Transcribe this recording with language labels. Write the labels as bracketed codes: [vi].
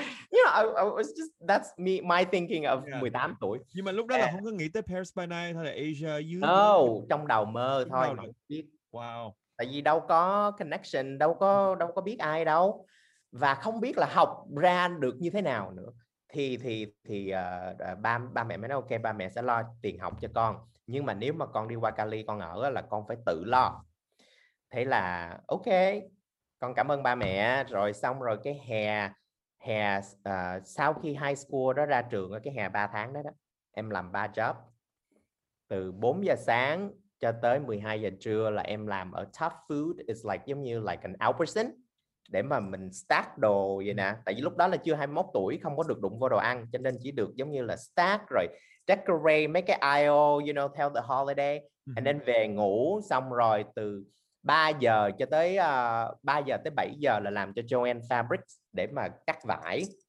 [en] You know, it's just that's me, my thinking of [vi] 18 tuổi. Nhưng mà lúc đó là không có nghĩ tới Paris by night hay là Asia. No, trong đầu mơ thôi. Đầu biết. [en] Wow. [vi] Tại vì đâu có connection, đâu có biết ai đâu. Và không biết là học ra được như thế nào nữa. Thì ba mẹ mới nói ok, ba mẹ sẽ lo tiền học cho con. Nhưng mà nếu mà con đi qua Cali con ở là con phải tự lo. Thế là ok, con cảm ơn ba mẹ. Rồi xong rồi cái hè sau khi high school đó, ra trường cái hè 3 tháng đó, em làm 3 job. Từ 4 giờ sáng cho tới 12 giờ trưa là em làm ở Tough Food. [en] It's like [vi] giống như [en] like an Albertsons. [vi] Để mà mình stack đồ vậy nè. Tại vì lúc đó là chưa 21 tuổi, không có được đụng vô đồ ăn, cho nên chỉ được giống như là stack rồi decorate mấy cái IO, [en] you know, [vi] theo [en] the holiday. And then [vi] về ngủ. Xong rồi từ 3 giờ cho tới 3 giờ tới 7 giờ là làm cho Joanne Fabrics để mà cắt vải.